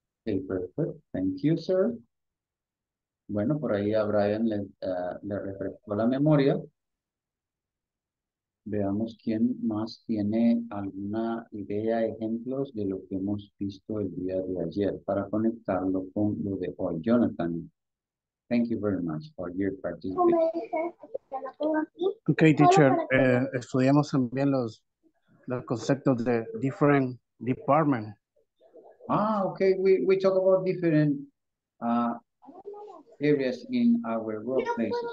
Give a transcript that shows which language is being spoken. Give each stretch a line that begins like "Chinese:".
English: Okay, perfect. Thank you, sir.
Spanish: Bueno, por ahí a Brian le refrescó la memoria. Veamos quién más tiene alguna idea, ejemplos de lo que hemos visto el día de ayer para conectarlo con lo de hoy.
English: Jonathan, thank you very much for your participation. Okay, teacher,
Spanish: estudiamos también los conceptos de
English: different department. Ah, okay, we talk about different areas in our workplaces.